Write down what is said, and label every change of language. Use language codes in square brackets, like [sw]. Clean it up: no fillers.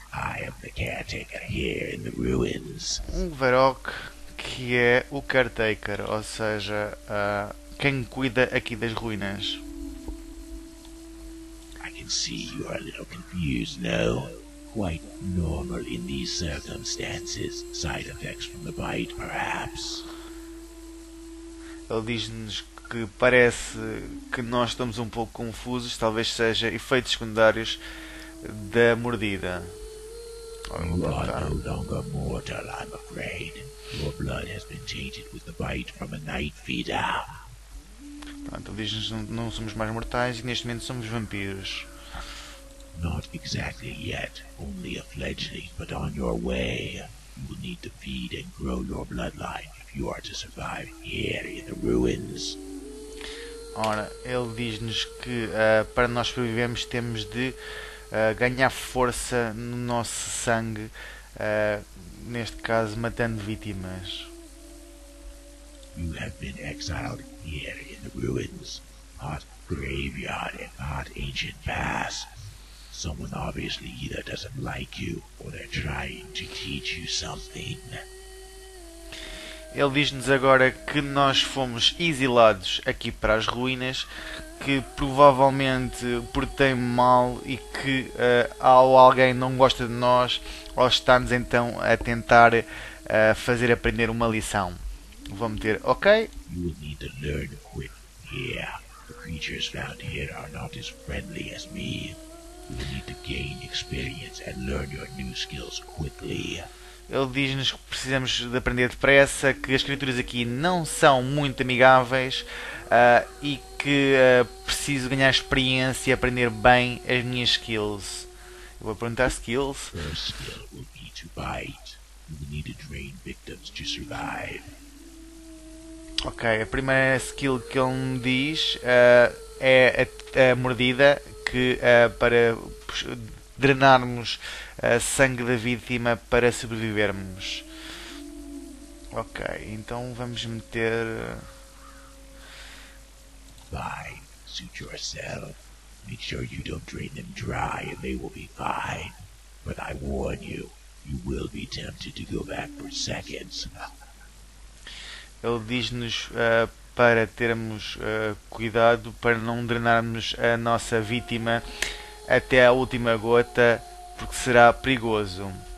[en] I am the caretaker here in the ruins. [pt] Um Varrok que é o caretaker, ou seja, quem cuida aqui das ruínas. [en] I can see you are a little confused, no? Quite normal in these circumstances. Side effects from the bite, perhaps. [pt] diz-nos que parece que nós estamos um pouco confusos, talvez seja efeitos secundários da mordida. Olha, [en] You are [pt] pronto. [en] no longer mortal, I'm afraid. Your blood has been tainted with the bite from a night feeder. [pt] Pronto, diz-nos que não somos mais mortais e neste momento somos vampiros. [en] Not exactly yet, only a fledgling, but on your way. You will need to feed and grow your bloodline if you are to survive here in the ruins. [pt] Ora, ele diz-nos que para nós sobrevivermos temos de ganhar força no nosso sangue, neste caso matando vítimas. [en] You have been exiled here in the ruins, hot graveyard and hot ancient pass. Someone obviously either doesn't like you or they're trying to teach you something. [pt] Ele diz-nos agora que nós fomos exilados aqui para as ruínas, que provavelmente portei mal e que alguém não gosta de nós ou está-nos então a tentar fazer aprender uma lição. Vou meter ok. [en] You will need to learn quick here. The creatures found here are not as friendly as me. You will need to gain experience and learn your new skills quickly. [pt] Ele diz-nos que precisamos de aprender depressa, que as criaturas aqui não são muito amigáveis, e que preciso ganhar experiência e aprender bem as minhas skills. Eu vou perguntar skills. [en] First skill will be to bite. You will need to drain victims to survive. [pt] Ok, a primeira skill que ele me diz é a mordida, que para drenarmos sangue da vítima para sobrevivermos. Ok, então vamos meter. [en] Fine, suit yourself. Make sure you don't drain them dry and they will be fine. But I warn you, you will be tempted to go back for seconds. [pt] Ele diz-nos para termos cuidado, para não drenarmos a nossa vítima até à última gota, porque será perigoso.